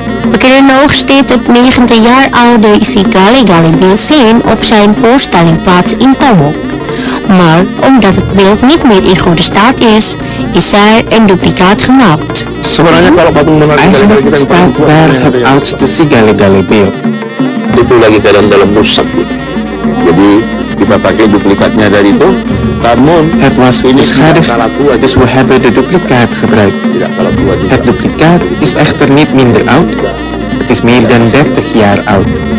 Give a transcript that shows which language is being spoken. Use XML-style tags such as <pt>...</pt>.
<nl>We kunnen nog steeds het 90 jaar oude Sigale Gale beeld zien op zijn voorstelling plaats in Tomok. Maar omdat het beeld niet meer in goede staat is, is er een duplicaat gemaakt. Eigenlijk staat daar het oudste Sigale Gale beeld.</nl> <id>Itu lagi keadaan dalam rusak. Jadi kita pakai duplikatnya dari itu. Namun</id> <nl>het was beschadigd, dus we hebben de duplicaat gebruikt. Het duplicaat is echter niet minder oud. Het is meer dan 30 jaar oud.</nl>